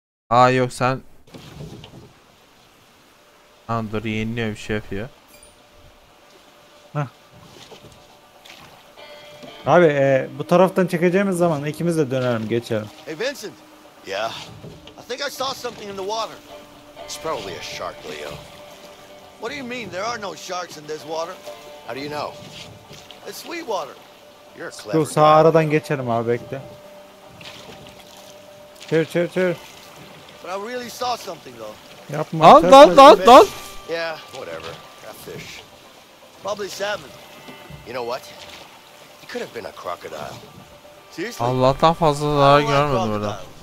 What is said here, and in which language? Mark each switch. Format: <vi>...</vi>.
<tr>Aa yok, sen... Lan dur, yeniliyor, bir şey yapıyor. Hah. Abi bu taraftan çekeceğimiz zaman ikimiz de dönelim, geçelim.</tr> <en>Hey Vincent! Yeah? I think I saw something in the water. It's probably a shark, Leo. What do you mean? There are no sharks in this water. How do you know? It's sweet water. You're a clever guy.</en> <tr>Dur, sağ aradan geçelim abi, bekle. Çevir.</tr> <en>But I really saw something though.</en> <tr>Yapma.</tr> <en>Don't. Yeah, whatever. A fish. Probably salmon. You know what? It could have been a crocodile. Seriously?</en> <tr>Allah'tan fazla daha görmedim burada.</tr>